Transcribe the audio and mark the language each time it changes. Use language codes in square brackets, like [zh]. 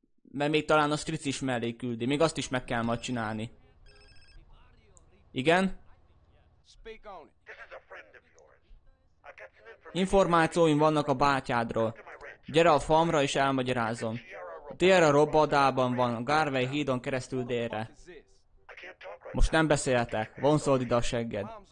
[hu] Mert még talán a stric is mellé küldi. Még azt is meg kell majd csinálni. Igen? [en] Speak on it. This is a friend of yours. A [hu] Információim vannak a bátyádról. Gyere a farmra és elmagyarázom. A Tierra Robadában van, a Garvey hídon keresztül délre. Most nem beszéltek, vonszold ide a segged.